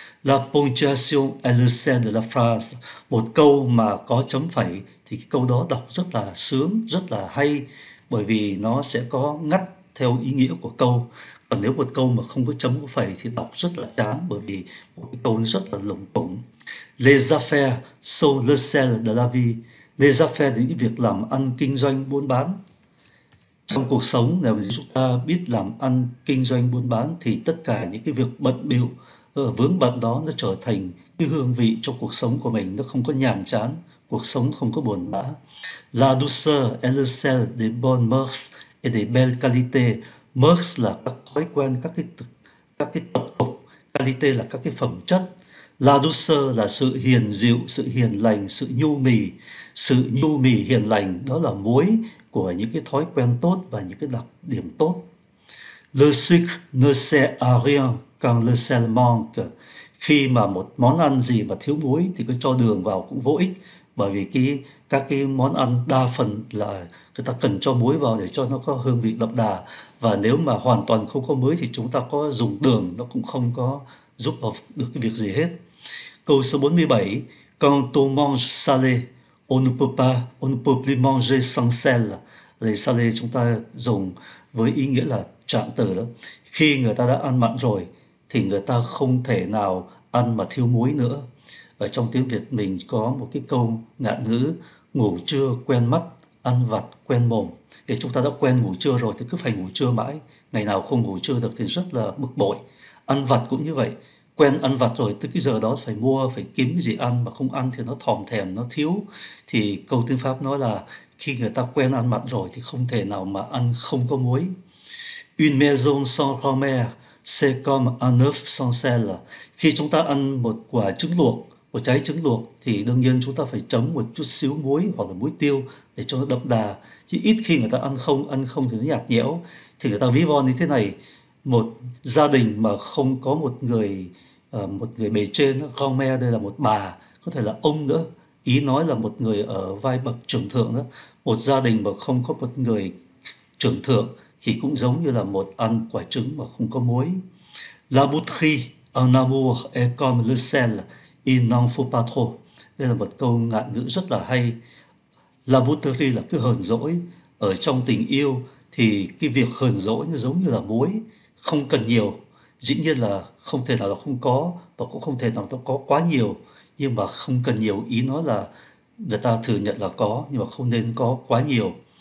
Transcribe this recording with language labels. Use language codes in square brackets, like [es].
[fr] La ponctuation elegant de la phrase, [vi] một câu mà có chấm phẩy thì cái câu đó đọc rất là sướng, rất là hay, bởi vì nó sẽ có ngắt theo ý nghĩa của câu. Còn nếu một câu mà không có chấm có phẩy thì đọc rất là chán, bởi vì một cái câu rất là lủng củng. [fr] Les affaires sont le sel de la vie, les affaires [vi] những việc làm ăn kinh doanh buôn bán. Trong cuộc sống, nếu mà chúng ta biết làm ăn kinh doanh buôn bán thì tất cả những cái việc bận bịu vướng bận đó nó trở thành cái hương vị trong cuộc sống của mình, nó không có nhàm chán, cuộc sống không có buồn bã. [fr] La douceur est le sel des bonnes mœurs et des belles qualités. [vi] Mœurs là các thói quen, các cái tập tục, qualité là các cái phẩm chất. La douceur là sự hiền dịu, sự hiền lành, sự nhu mì hiền lành, đó là muối của những cái thói quen tốt và những cái đặc điểm tốt. [fr] Le sucre ne sert à rien quand le sel manque. [vi] Khi mà một món ăn gì mà thiếu muối thì cứ cho đường vào cũng vô ích, bởi vì các cái món ăn đa phần là người ta cần cho muối vào để cho nó có hương vị đậm đà, và nếu mà hoàn toàn không có muối thì chúng ta có dùng đường nó cũng không có giúp được cái việc gì hết. Câu số 47, [fr] quand on mange salé, on ne peut plus manger sans sel. [vi] Đây, salé chúng ta dùng với ý nghĩa là trạng từ đó. Khi người ta đã ăn mặn rồi thì người ta không thể nào ăn mà thiếu muối nữa. Ở trong tiếng Việt mình có một cái câu ngạn ngữ, ngủ trưa quen mắt, ăn vặt quen mồm. Thì chúng ta đã quen ngủ trưa rồi thì cứ phải ngủ trưa mãi, ngày nào không ngủ trưa được thì rất là bực bội. Ăn vặt cũng như vậy, quen ăn vặt rồi tới cái giờ đó phải mua, phải kiếm cái gì ăn, mà không ăn thì nó thòm thèm, nó thiếu. Thì câu tiếng Pháp nói là khi người ta quen ăn mặn rồi thì không thể nào mà ăn không có muối. [fr] Une maison sans romaine, c'est comme un œuf sans sel. [vi] Khi chúng ta ăn một quả trứng luộc, một trái trứng luộc thì đương nhiên chúng ta phải chấm một chút xíu muối hoặc là muối tiêu để cho nó đậm đà. Chứ ít khi người ta ăn không thì nó nhạt nhẽo. Thì người ta ví von như thế này, một gia đình mà không có một người bề trên, con me đây là một bà, có thể là ông nữa, ý nói là một người ở vai bậc trưởng thượng đó, một gia đình mà không có một người trưởng thượng thì cũng giống như là một ăn quả trứng mà không có muối. [fr] La boutrie en amour est comme le sel, il n'en faut pas trop. [vi] Đây là một câu ngạn ngữ rất là hay. La boutrie là cái hờn dỗi, ở trong tình yêu thì cái việc hờn dỗi nó giống như là muối, không cần nhiều, dĩ nhiên là không thể nào là không có và cũng không thể nào nó có quá nhiều, nhưng mà không cần nhiều, ý nói là người ta thừa nhận là có nhưng mà không nên có quá nhiều.